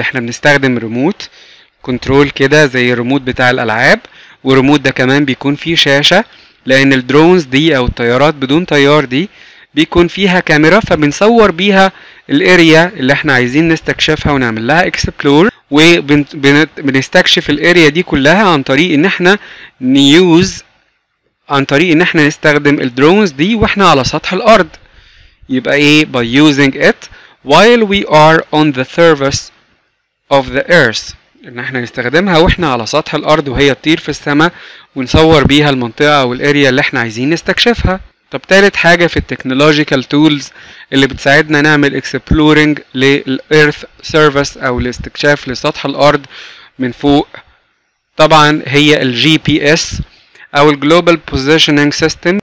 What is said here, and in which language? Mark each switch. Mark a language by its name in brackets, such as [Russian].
[Arabic] احنا بنستخدم ريموت كنترول كده زي الريموت بتاع الألعاب، والريموت ده كمان بيكون فيه شاشة لأن الدرونز دي أو الطيارات بدون طيار دي بيكون فيها كاميرا، فبنصور بيها الأريا اللي احنا عايزين نستكشفها ونعمل لها إكسبلور، وبنستكشف الأريا دي كلها عن طريق إن احنا نيوز عن طريق إن احنا نستخدم الدرونز دي واحنا على سطح الأرض. يبقى إيه؟ [English] by using it while we are on the surface of the earth. [Arabic] ان احنا نستخدمها واحنا على سطح الارض وهي تطير في السماء ونصور بيها المنطقه او الاريا اللي احنا عايزين نستكشفها. طب تالت حاجه في التكنولوجيكال تولز اللي بتساعدنا نعمل اكسبلورنج للايرث سيرفيس او الاستكشاف لسطح الارض من فوق طبعا هي الجي بي اس او الجلوبال بوزيشننج سيستم.